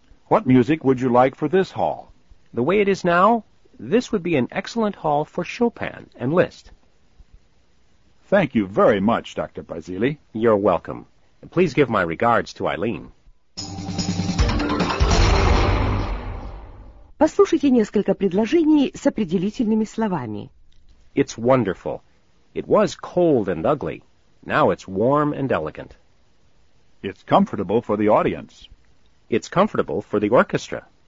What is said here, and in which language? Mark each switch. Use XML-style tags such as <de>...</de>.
<en>What music would you like for this hall? The way it is now, this would be an excellent hall for Chopin and Liszt. Thank you very much, Dr. Barzili. You're welcome. Please give my regards to Eileen.</en> <ru>Послушайте несколько предложений с определительными словами.</ru> <en>It's wonderful. It was cold and ugly. Now it's warm and elegant. It's comfortable for the audience. It's comfortable for the orchestra.</en>